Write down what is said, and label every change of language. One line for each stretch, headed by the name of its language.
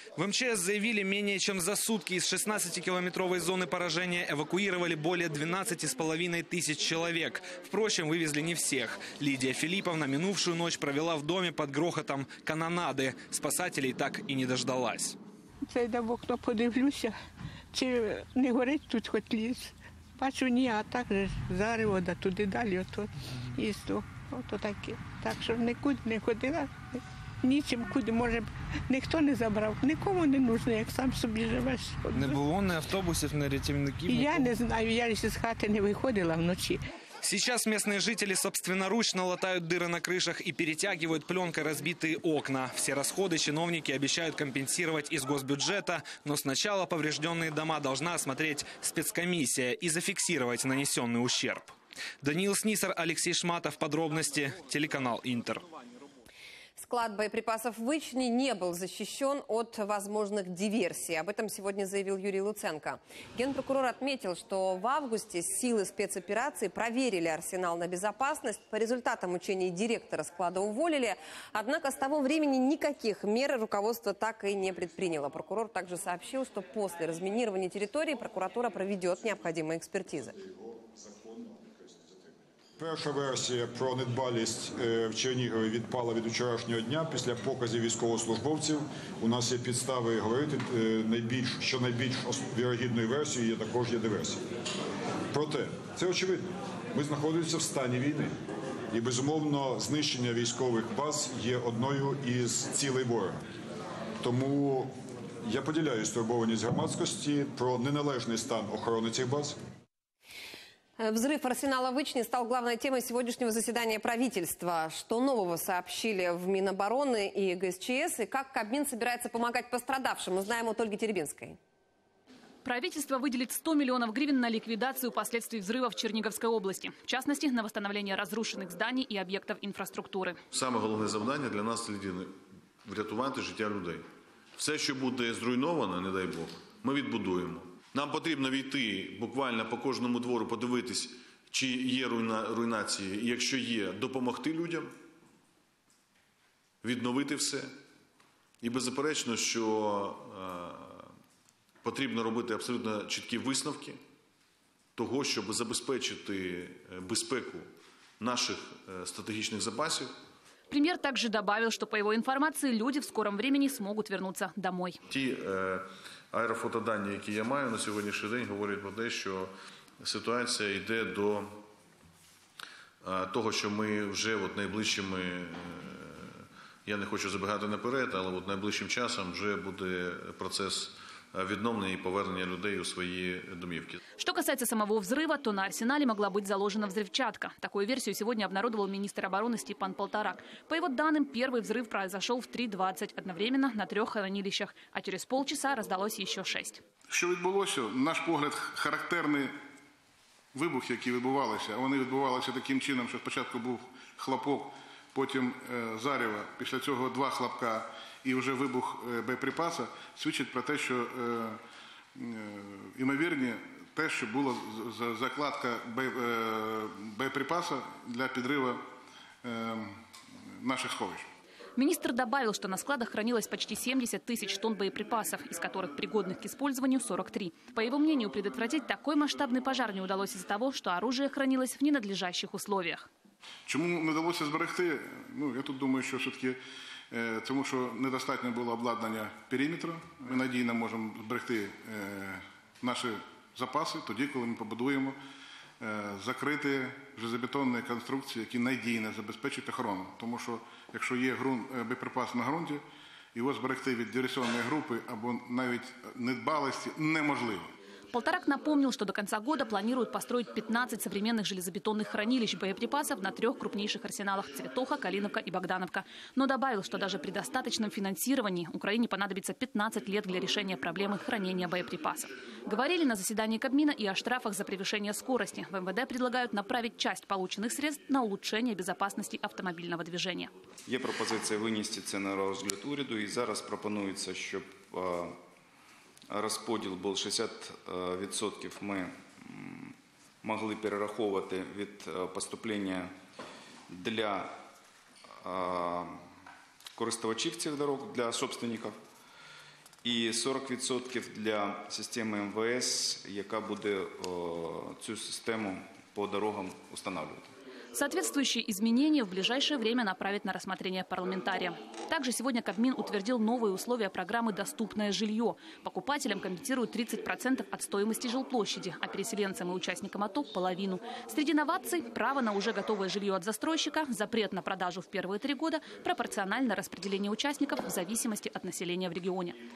Russian: В МЧС заявили, менее чем за сутки из 16-километровой зоны поражения эвакуировали более 12,5 тысяч человек. Впрочем, вывезли не всех. Лидия Филипповна минувшую ночь провела в доме под грохотом канонады. Спасателей так и не дождалась.
Ukrainian: Це я в окно подивлюся, чи не горить тут хоч ліс. Бачу, ні, а так же зарево, да туди далі, ото їсту. Ото таке. Так що нікуди не ходила, нічим куди, може, ніхто не забрав. Нікому не потрібно, як сам собі живеш. Не було ні автобусів, ні рятівників? Нікому. Я не знаю, я ще з хати не виходила вночі.
Russian: Сейчас местные жители собственноручно латают дыры на крышах и перетягивают пленкой разбитые окна. Все расходы чиновники обещают компенсировать из госбюджета, но сначала поврежденные дома должна осмотреть спецкомиссия и зафиксировать нанесенный ущерб. Даниил Снисер, Алексей Шматов, подробности, телеканал Интер. Склад боеприпасов в Ичне не был защищен от возможных диверсий. Об этом сегодня заявил Юрий Луценко. Генпрокурор отметил, что в августе силы спецоперации проверили арсенал на безопасность. По результатам учений директора склада уволили. Однако с того времени никаких мер руководство так и не предприняло. Прокурор также сообщил, что после разминирования территории прокуратура проведет необходимые экспертизы.
Ukrainian: Перша версія про недбалість в Чернігові відпала від вчорашнього дня після показів військовослужбовців. У нас є підстави говорити, що найбільш вірогідною версією є також є диверсія. Проте, це очевидно, ми знаходимося в стані війни. І, безумовно, знищення військових баз є одною із цілей ворога. Тому я поділяю стурбованість громадськості про неналежний стан охорони цих баз.
Russian: Взрыв арсенала в Ичне стал главной темой сегодняшнего заседания правительства. Что нового сообщили в Минобороны и ГСЧС, и как Кабмин собирается помогать пострадавшим, узнаем от Ольги Теребинской. Правительство выделит 100 миллионов гривен на ликвидацию последствий взрыва в Черниговской области. В частности, на восстановление разрушенных зданий и объектов инфраструктуры. Самое главное задание для нас людей –
Ukrainian: врятувати життя людей. Все, що буде зруйновано, не дай Бог, ми відбудуємо. Нам потрібно війти буквально по кожному двору, подивитись, чи є руйнації. І якщо є, допомогти людям відновити все. І беззаперечно, що потрібно робити абсолютно чіткі висновки того, щоб забезпечити безпеку наших стратегічних запасів.
Russian: Премьер также добавил, что, по его информации, люди в скором времени смогут вернуться домой. Те аэрофотоданные, которые я имею на сегодняшний день, говорят о том, что ситуация идет до того, что мы уже вот
Ukrainian: найближчими,
Russian: я не хочу забегать наперед, но вот
Ukrainian: найближчим часом
Russian: уже будет процесс
Ukrainian: відновлення і повернення людей у свої домівки. Що стосується самого взриву, то на арсеналі могла бути заложена взривчатка. Таку версію сьогодні обнародував міністр оборони Степан Полторак. По його даним, перший взрив пройшов в 3:20 одновременно на трьох хранилищах, а через полчаса роздалось ще 6. Що відбулося? Наш погляд, характерні вибухи, які відбувалися, вони відбувалися таким чином, що спочатку був хлопок, потім зарево, після цього два хлопка і вже вибух боєприпаса, свідчить про те, що імовірні те, що була закладка боєприпаса для підриву наших сховищ.
Russian: Министр добавил, что на складах хранилось почти 70 тысяч тонн боеприпасов, из которых пригодных к использованию 43. По его мнению, предотвратить такой масштабный пожар не удалось из-за того, что оружие хранилось в ненадлежащих условиях.
Ukrainian: Чому не вдалося зберегти? Ну, я тут думаю, що все-таки тому, що недостатньо було обладнання периметру. Ми надійно можемо зберегти наші запаси тоді, коли ми побудуємо закриті железобетонні конструкції, які надійно забезпечать охорону. Тому що якщо є боєприпас на ґрунті, його зберегти від диверсійної групи або навіть недбалості неможливо.
Russian: Полторак напомнил, что до конца года планируют построить 15 современных железобетонных хранилищ боеприпасов на трех крупнейших арсеналах – Цветоха, Калиновка и Богдановка. Но добавил, что даже при достаточном финансировании Украине понадобится 15 лет для решения проблемы хранения боеприпасов. Говорили на заседании Кабмина и о штрафах за превышение скорости. В МВД предлагают направить часть полученных средств на улучшение безопасности автомобильного движения. Есть
Ukrainian: пропозиция
Russian: вынести это
Ukrainian: на розгляд уряду,
Russian: и сейчас
Ukrainian: пропонуется, чтобы розподіл був 60%, ми могли перераховувати від поступлення для користувачів цих дорог, для собственників, і 40% для системи МВС, яка буде цю систему по дорогам встановлювати.
Russian: Соответствующие изменения в ближайшее время направят на рассмотрение парламентария. Также сегодня Кабмин утвердил новые условия программы «Доступное жилье». Покупателям компенсируют 30% от стоимости жилплощади, а переселенцам и участникам АТО – половину. Среди новаций – право на уже готовое жилье от застройщика, запрет на продажу в первые 3 года, пропорциональное распределение участников в зависимости от населения в регионе.